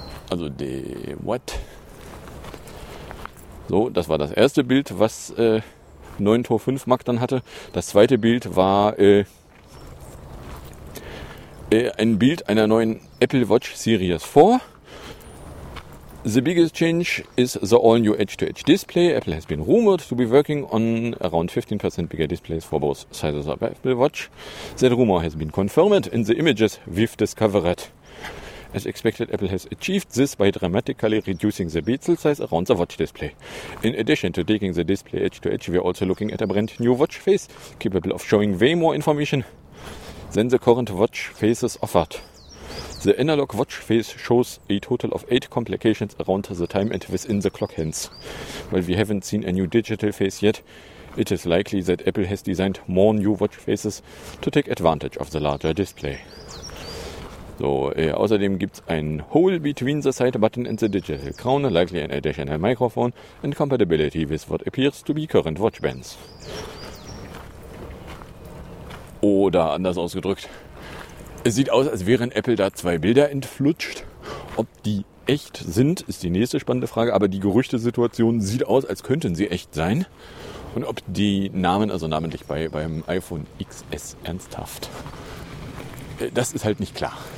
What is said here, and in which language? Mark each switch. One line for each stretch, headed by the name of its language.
German: Also, die, what? So, das war das erste Bild, was 9:05 Mark dann hatte. Das zweite Bild war ein Bild einer neuen Apple Watch Series 4.
English: The biggest change is the all-new edge-to-edge display. Apple has been rumored to be working on around 15% bigger displays for both sizes of Apple Watch. That rumor has been confirmed in the images we've discovered. As expected, Apple has achieved this by dramatically reducing the bezel size around the watch display. In addition to taking the display edge-to-edge, we're also looking at a brand new watch face, capable of showing way more information than the current watch faces offered. The analog watch face shows a total of 8 complications around the time and within the clock hands. While we haven't seen a new digital face yet, it is likely that Apple has designed more new watch faces to take advantage of the larger display.
German: So, außerdem gibt's ein
English: Hole between the side button and the digital crown, likely an additional microphone, and compatibility with what appears to be current watch bands.
German: Oder anders ausgedrückt, es sieht aus, als wären Apple da 2 Bilder entflutscht. Ob die echt sind, ist die nächste spannende Frage. Aber die Gerüchtesituation sieht aus, als könnten sie echt sein. Und ob die Namen, also namentlich beim iPhone XS, ernsthaft. Das ist halt nicht klar.